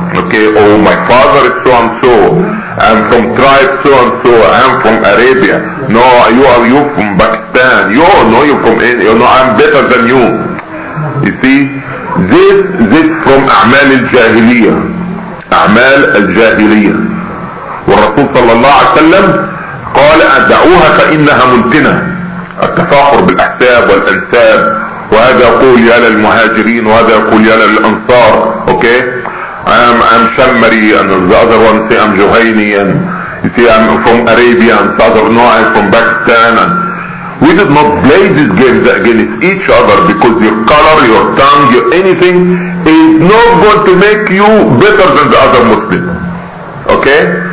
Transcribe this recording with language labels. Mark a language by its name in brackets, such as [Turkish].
[English] Okay, oh, my father is so and so. I'm from tribe so and so. I'm from Arabia. No, you from Pakistan. You all know you're from India. No, I'm better than you. You see, this from [Arabic] A'mal al-Jahiliyyah. اعمال الجاهلية. والرسول صلى الله عليه وسلم قال ادعوها فانها منتنة. التفاخر بالاحساب والانساب، وهذا يقول يا للمهاجرين، وهذا يقول يا للانصار. [English] Okay I'm Shammari and the other one say I'm Juhaini and you see I'm from Arabia and the other one I'm from Pakistan. And we did not play these games against each other, because your color, your tongue, your anything is not going to make you better than the other Muslim. Okay?